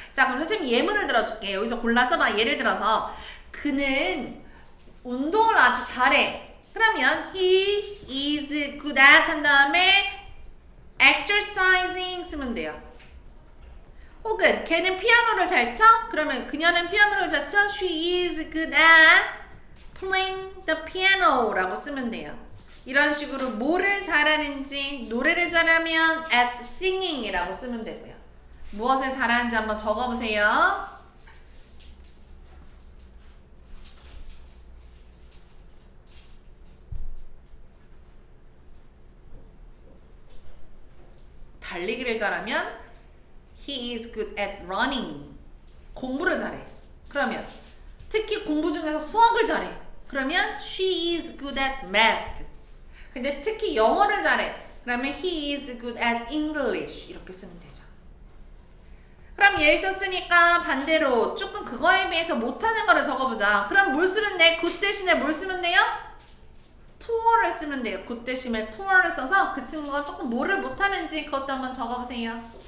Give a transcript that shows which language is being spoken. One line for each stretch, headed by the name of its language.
Korean: 자 그럼 선생님 예문을 들어줄게. 여기서 골라서 봐. 예를 들어서 그는 운동을 아주 잘해. 그러면
English: he is good at
Korean: 한 다음에
English: exercising
Korean: 쓰면 돼요. 혹은 걔는 피아노를 잘 쳐? 그러면 그녀는 피아노를 잘 쳐?
English: She is good at playing the piano
Korean: 라고 쓰면 돼요. 이런 식으로 뭐를 잘하는지 노래를 잘하면
English: at singing
Korean: 이라고 쓰면 되고요. 무엇을 잘하는지 한번 적어보세요. 달리기를 잘하면
English: He is good at running.
Korean: 공부를 잘해. 그러면 특히 공부 중에서 수학을 잘해. 그러면
English: She is good at math.
Korean: 근데 특히 영어를 잘해. 그러면
English: He is good at English.
Korean: 이렇게 쓰면 되죠. 그럼 예를 썼으니까 반대로 조금 그거에 비해서 못하는 거를 적어보자. 그럼 뭘 쓰면 돼? good 대신에 뭘 쓰면 돼요? poor를 쓰면 돼요. good 대신에 poor를 써서 그 친구가 조금 뭐를 못하는지 그것도 한번 적어보세요.